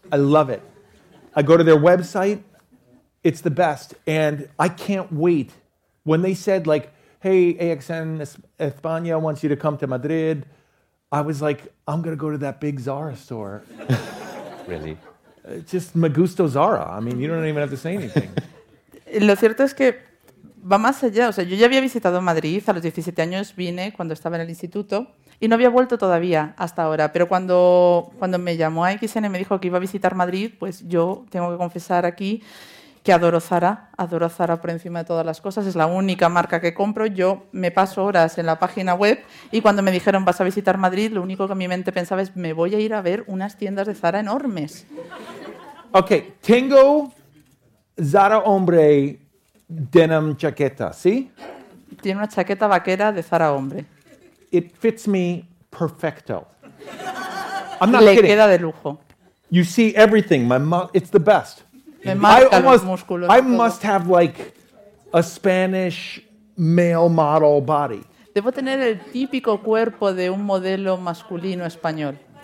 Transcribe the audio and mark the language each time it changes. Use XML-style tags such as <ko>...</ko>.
<en>I love it. I go to their website. It's the best. And I can't wait. When they said, like, hey, AXN España wants you to come to Madrid, I was like, I'm going to go to that big Zara store. Really? It's just Magusto Zara. I mean, you don't even have to say anything.</en> <es>Lo cierto es que va más allá. O sea, yo ya había visitado Madrid. A los 17 años vine cuando estaba en el instituto y no había vuelto todavía hasta ahora. Pero cuando me llamó a XN y me dijo que iba a visitar Madrid, pues yo tengo que confesar aquí que adoro Zara por encima de todas las cosas. Es la única marca que compro. Yo me paso horas en la página web y cuando me dijeron vas a visitar Madrid, lo único que mi mente pensaba es me voy a ir a ver unas tiendas de Zara enormes. Ok, tengo Zara Hombre denim chaqueta, ¿sí? Tiene una chaqueta vaquera de Zara Hombre.</es> <en>It fits me perfecto. I'm not Le kidding.</en> <es>Queda de lujo.</es> <en>You see everything. It's the best. I must have like a Spanish male model body.</en> <es>Debo tener el típico cuerpo de un modelo masculino español.</es>